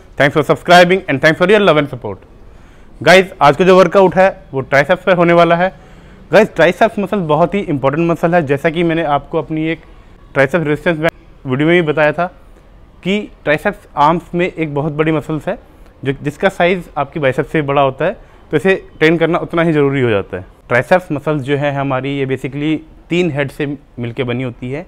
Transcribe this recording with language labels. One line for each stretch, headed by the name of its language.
English: Thanks for subscribing and thanks for your love and support.
Hindi: Guys, आज का जो workout है वो triceps पे होने वाला है. Guys, triceps muscle बहुत ही important muscle है. जैसा कि मैंने आपको अपनी एक triceps resistance video में भी बताया था कि triceps arms में एक बहुत बड़ी muscles है जो जिसका size आपकी biceps से बड़ा होता है, तो इसे train करना उतना ही ज़रूरी हो जाता है. Triceps muscles जो है हमारी, ये basically तीन head से मिलके बनी होती है.